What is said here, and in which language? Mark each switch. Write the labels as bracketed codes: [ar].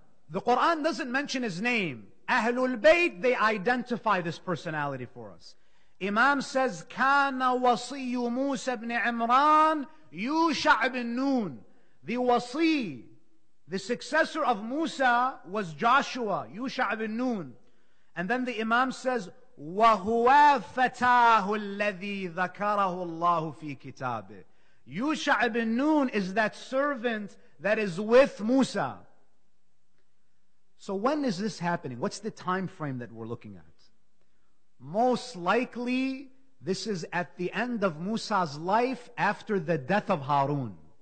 [en] The Quran doesn't mention his name. Ahlul Bayt, they identify this personality for us. Imam says, [ar] Kana wasiyu Musa ibn Imran, Yusha' ibn Nun. [en] The wasi, the successor of Musa, was Joshua, Yusha' ibn Nun. And then the Imam says, [ar] وَهُوَا فَتَاهُ الَّذِي ذَكَرَهُ اللَّهُ فِي كِتَابِهِ. [en] Yusha ibn Nun is that servant that is with Musa. So when is this happening? What's the time frame that we're looking at? Most likely, this is at the end of Musa's life after the death of Harun.